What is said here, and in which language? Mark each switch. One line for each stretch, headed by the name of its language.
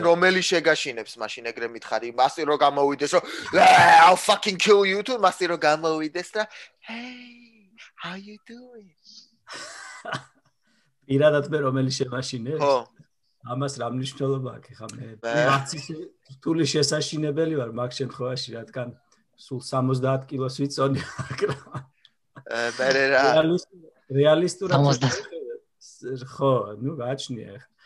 Georgian: შენ რომელი შეგაშინებს მაშინ ეგრე მითხარი? მასი რო გამოვიდეს რომ
English: I fucking kill you too,
Georgian: მასი რო გამოვიდეს და
English: hey, how you doing?
Georgian: პირადად მე რომელი შემაშინებს? ხო. ამას რა მნიშვნელობა აქვს ხა მე? მაცი რთული შესაშინებელი ვარ მაგ შემთხვევაში, რადგან სულ 70 კილოს ვიწონი აკრა. ბერე რა. რეალისტურად 70 ხო, ნუ გაჩნია.